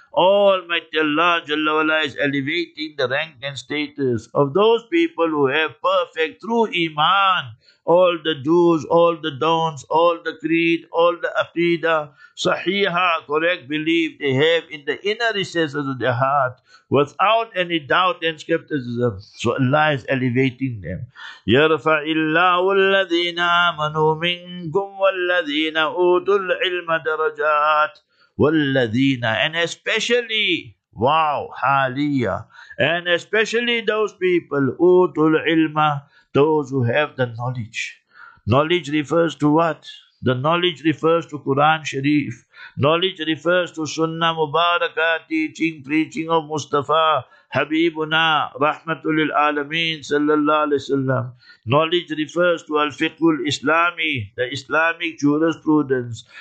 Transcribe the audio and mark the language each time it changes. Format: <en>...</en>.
<en>Almighty Allah Jalla Wala is elevating the rank and status of those people who have perfect true iman. All the do's, all the don'ts, all the creed, all the aqidah, sahiha, correct belief they have in the inner recesses of their heart, without any doubt and skepticism. So Allah is elevating them.</en> <ar>يَرْفَعِ اللَّهُ الَّذِينَ آمَنُوا مِنْكُمْ وَالَّذِينَ أُوتُوا الْعِلْمَ دَرَجَاتٍ وَالَّذِينَ,</ar> <en>and especially, wow,</en> <ar>حَالِيَّ,</ar> <en>and especially those people,</en> <ar>أُوتُوا الْعِلْمَ,</ar> <en>those who have the knowledge. Knowledge refers to what? The knowledge refers to Quran Sharif. Knowledge refers to Sunnah Mubarakah, teaching, preaching of Mustafa, Habibuna, Rahmatul Alameen, Sallallahu Alaihi Wasallam. Knowledge refers to Al-Fiqhul Islami, the Islamic jurisprudence.</en>